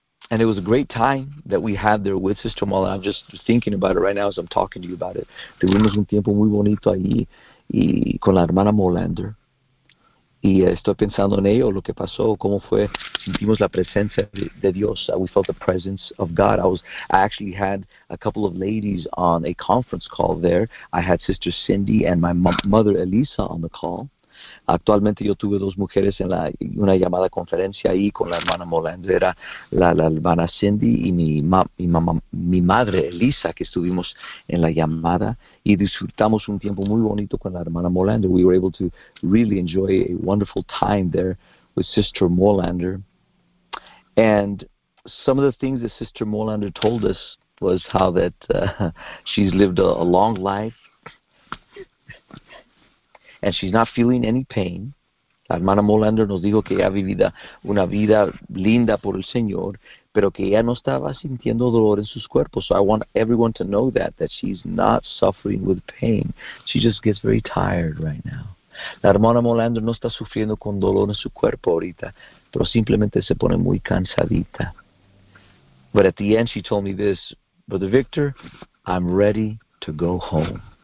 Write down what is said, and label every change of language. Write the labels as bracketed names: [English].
[English] And it was a great time that we had there with Sister Molander. I'm just thinking about it right now as I'm talking to you about it. [Spanish] Tuvimos un tiempo muy bonito allí y con la hermana Molander. Y estoy pensando en ello, lo que pasó, cómo fue. Sentimos la presencia de Dios. [English] We felt the presence of God. I actually had a couple of ladies on a conference call there. I had Sister Cindy and my mother Elisa on the call. [Spanish] Actualmente yo tuve dos mujeres en una llamada conferencia ahí con la hermana Molander, era la hermana Cindy y mi madre Elisa, que estuvimos en la llamada y disfrutamos un tiempo muy bonito con la hermana Molander. [English] We were able to really enjoy a wonderful time there with Sister Molander. And some of the things that Sister Molander told us was how that she's lived a long life. And she's not feeling any pain. [Spanish] La hermana Molander nos dijo que ella ha vivido una vida linda por el Señor, pero que ella no estaba sintiendo dolor en sus cuerpos. [English] So I want everyone to know that she's not suffering with pain. She just gets very tired right now. [Spanish] La hermana Molander no está sufriendo con dolor en su cuerpo ahorita, pero simplemente se pone muy cansadita. [English] But at the end, she told me this, Brother Victor, I'm ready to go home.